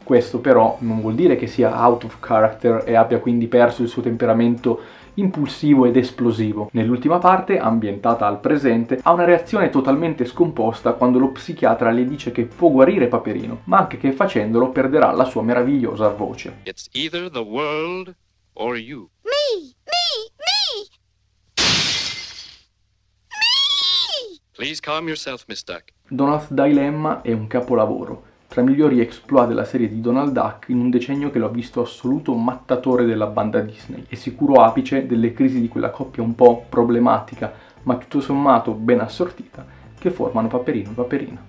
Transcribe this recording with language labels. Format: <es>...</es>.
<it>Questo però non vuol dire che sia</it> <en>out of character</en> <it>e abbia quindi perso il suo temperamento impulsivo ed esplosivo. Nell'ultima parte, ambientata al presente, ha una reazione totalmente scomposta quando lo psichiatra le dice che può guarire Paperino, ma anche che facendolo perderà la sua meravigliosa voce.</it> <en>It's either the world or you. Me! Me! Me! Me! Please calm yourself, Miss Duck.</en> <it>Donald's Dilemma è un capolavoro, tra i migliori exploit della serie di Donald Duck in un decennio che l'ho visto assoluto mattatore della banda Disney e sicuro apice delle crisi di quella coppia un po' problematica, ma tutto sommato ben assortita, che formano Paperino e Paperina.</it>